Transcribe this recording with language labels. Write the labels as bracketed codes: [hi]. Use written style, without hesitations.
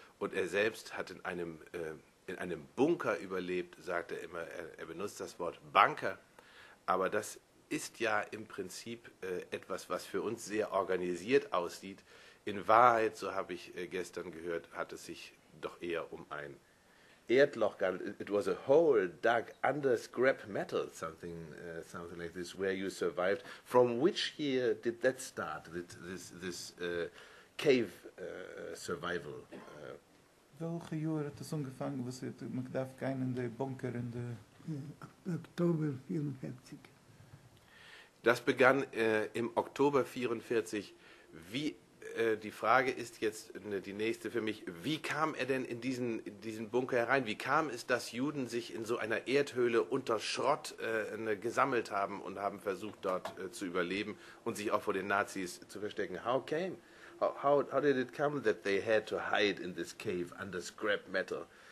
[de] Und er selbst hat in einem Bunker überlebt, sagt er immer, er benutzt das Wort Bunker. Aber das ist ja im Prinzip etwas, was für uns sehr organisiert aussieht. In Wahrheit, so habe ich gestern gehört, hat es sich doch eher um ein Erdloch gehandelt. [en] It was a hole dug under scrap metal, something like this, where you survived. From which year did that start, this cave survival? [de] Welche Jahre hat das angefangen, was ihr, man darf keinen in den Bunker in der... Oktober 44. Das begann im Oktober 44. Wie, die Frage ist jetzt die nächste für mich, wie kam er denn in diesen Bunker herein? Wie kam es, dass Juden sich in so einer Erdhöhle unter Schrott gesammelt haben und haben versucht, dort zu überleben und sich auch vor den Nazis zu verstecken? [en] How came? How did it come that they had to hide in this cave under scrap metal?